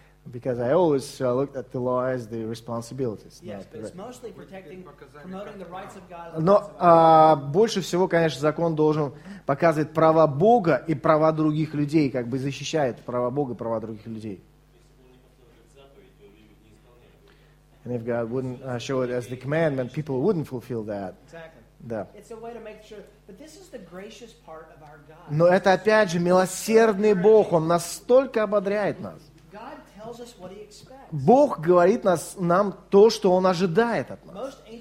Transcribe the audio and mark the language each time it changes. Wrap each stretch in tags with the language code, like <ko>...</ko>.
<en>Because I always looked at the law as the responsibilities. Yes, but it's mostly protecting, promoting the rights of God.</en> <ru>Но больше всего, конечно, закон должен показывать права Бога и права других людей, как бы защищает права Бога и права других людей.</ru> <en>And if God wouldn't show it as the commandment, people wouldn't fulfill that. Exactly.</en> <ru>Да.</ru> <en>It's a way to make sure. But this is the gracious part of our God.</en> <ru>Но это опять же милосердный Бог. Он настолько ободряет нас.</ru> <en>God tells us what he expects.</en> <ru>Бог говорит нам то, что Он ожидает от нас.</ru>